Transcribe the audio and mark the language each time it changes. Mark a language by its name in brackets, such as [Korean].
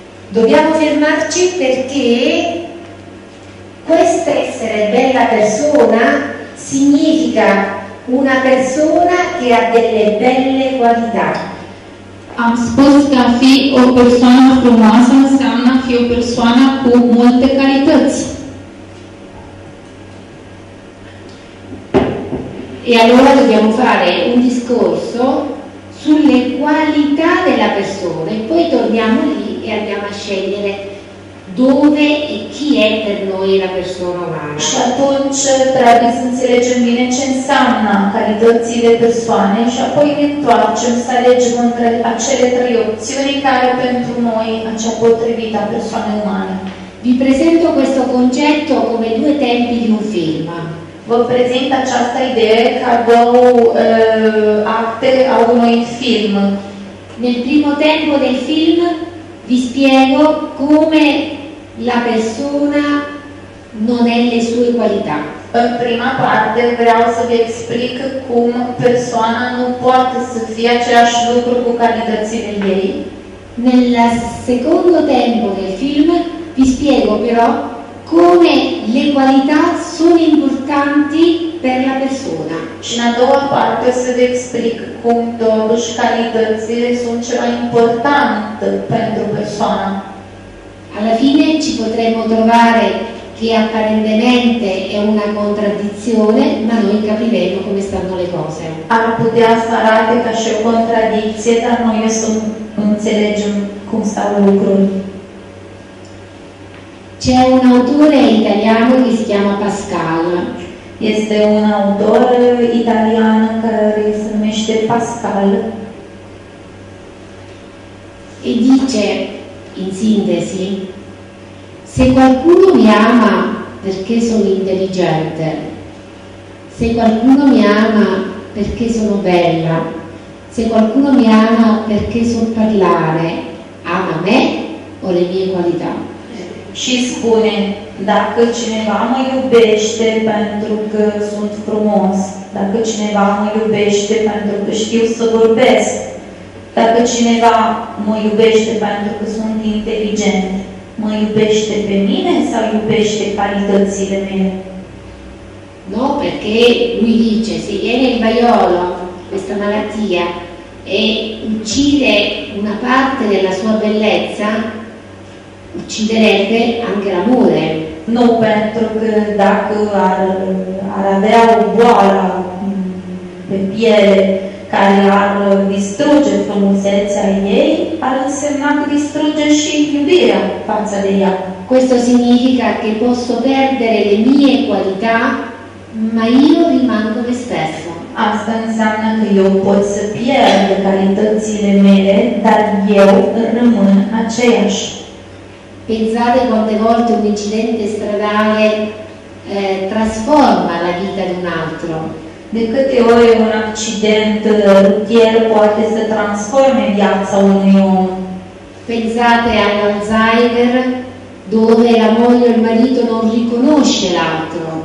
[Italian] Dobbiamo fermarci perché questa essere bella persona significa una persona che ha delle belle qualità. [Romanian] Am spus [Italian] che [Romanian] a fi o persona frumoasă înseamnă a fi o persona cu multe calități. [Italian] E allora dobbiamo fare un discorso sulle qualità della persona e poi torniamo lì e andiamo a scegliere dove e chi è per noi la persona umana. [Romanian] Și atunci trebuie să înțelegem bine ce înseamnă calitățile persoane și apoi ne întoarcem să alegem între acele trei opțiuni care pentru noi acea potrivită persoană umană. [Italian] Vi presento questo concetto come due tempi di un film. [Romanian] Vă prezint această idee ca două acte a unui film. [Italian] Nel primo tempo del film vi spiego come la persona non è le sue qualità. [Romanian] În prima parte vreau să vă explic cum persoana nu poate să fie același lucru cu calitățile ei. [Italian] Nel secondo tempo del film vi spiego però come le qualità sono importanti per la persona. [Romanian] Și în a doua parte o să vă explic cum totuși calitățile sunt ceva important pentru persoana. [Italian] Alla fine ci potremo trovare che apparentemente è una contraddizione, ma noi capiremo come stanno le cose. [Romanian] Ar putea să arate ca și o contradicție, dar noi o să înțelegem cum stau lucrurile. [Italian] C'è un autore italiano che si chiama Pascal. [Romanian] Este un autor italian care se numește Pascal. [Italian] E dice, in sintesi, se qualcuno mi ama perché sono intelligente, se qualcuno mi ama perché sono bella, se qualcuno mi ama perché so parlare, ama me o le mie qualità? [Romanian] Și spune, dacă cineva mă iubește pentru că sunt frumos, dacă cineva mă iubește pentru că știu să vorbesc, dacă cineva mă iubește pentru că sunt inteligent, mă iubește pe mine sau iubește calitățile mele? [Italian] No, perché lui dice, se viene il vaiolo, questa malattia, e uccide una parte della sua bellezza, ucciderebbe anche l'amore. [Romanian] Nu, pentru că dacă ar avea o boală pe piele care ar distruge frumusețea ei, ar însemna că distruge și iubirea față de ea. [Italian] Questo significa che posso perdere le mie qualità, ma io rimango me stesso. [Romanian] Asta înseamnă că eu pot să pierd calitățile mele, dar eu rămân aceeași. [Italian] Pensate quante volte un incidente stradale trasforma la vita di un altro. [Romanian] De câte ori un accident rutier poate să transforme viața unui om. [Italian] Pensate all'Alzheimer, dove la moglie o il marito non riconosce l'altro.